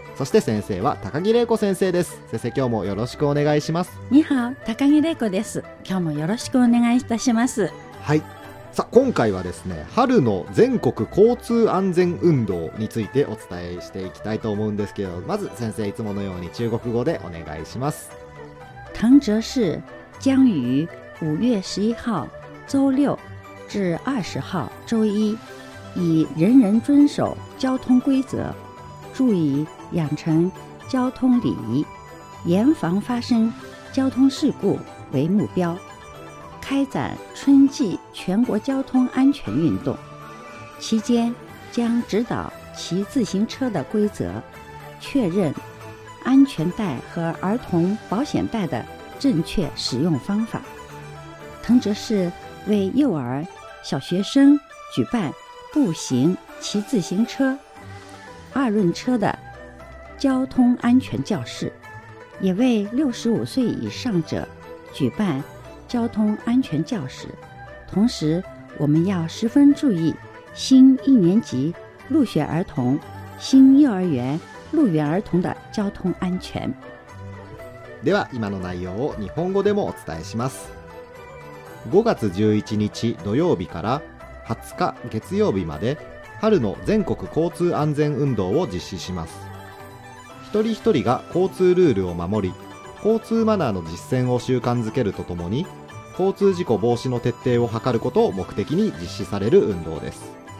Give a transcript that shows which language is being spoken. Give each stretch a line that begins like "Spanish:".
Japanese: そして先生は高木玲子先生です。先生、今日もよろしくお願いします。ニハオ、高木玲子です。今日もよろしくお願いいたします。はい、さあ今回はですね、春の全国交通安全運動についてお伝えしていきたいと思うんですけど、まず先生、いつものように中国語でお願いします。
Chinese: 唐哲市将于5月11号周六至20号周一，以人人遵守交通规则，注意养成交通礼仪，严防发生交通事故为目标，开展春季全国交通安全运动。期间将指导骑自行车的规则，确认安全带和儿童保险带的正确使用方法。藤泽市为幼儿、小学生举办步行、骑自行车、二轮车的交通安全教室，也为65岁以上者举办交通安全教室。同时，我们要十分注意新一年级入学儿童、新幼儿园入园儿童的交通安全。
Japanese: では今の内容を日本語でもお伝えします。5月11日土曜日から20日月曜日まで春の全国交通安全運動を実施します。一人一人が交通ルールを守り、交通マナーの実践を習慣づけるとともに、交通事故防止の徹底を図ることを目的に実施される運動です。